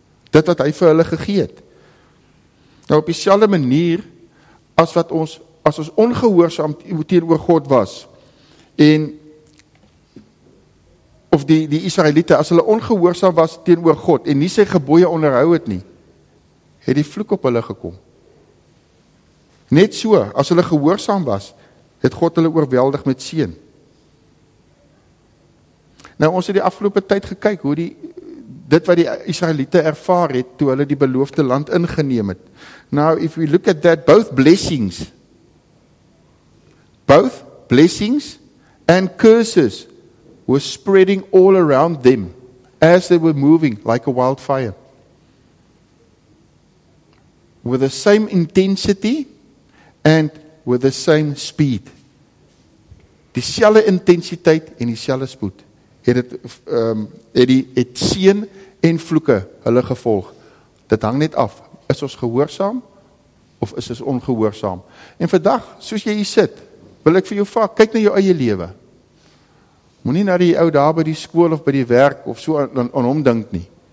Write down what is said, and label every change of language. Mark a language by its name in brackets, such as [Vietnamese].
[Afrikaans] Dit wat hy vir hulle gegee het. Nou op dieselfde manier as wat ons as ons ongehoorsaam teenoor God was en of die Israeliete as hulle ongehoorsaam was teenoor God en nie sy gebooie onderhou het nie, het die vloek op hulle gekom. Net so, as hulle gehoorsaam was, het God hulle oorweldig met seën. Nou ons het die afgelope tyd gekyk hoe dit wat die Israeliete ervaar het toe hulle die beloofde land ingeneem het. [English] Now if we look at that, both blessings and curses were spreading all around them as they were moving like a wildfire. With the same intensity and with the same speed. [Afrikaans] Dieselfde intensiteit en dieselfde spoed het seën en vloeke hulle gevolg. Dit hang net af, is ons gehoorsaam of is ons ongehoorsaam? En vandag, soos jy hier sit, wil ek vir jou vraag, kyk na jou eie lewe. Moenie na die ou daar by die skool of by die werk of so aan hom dink nie.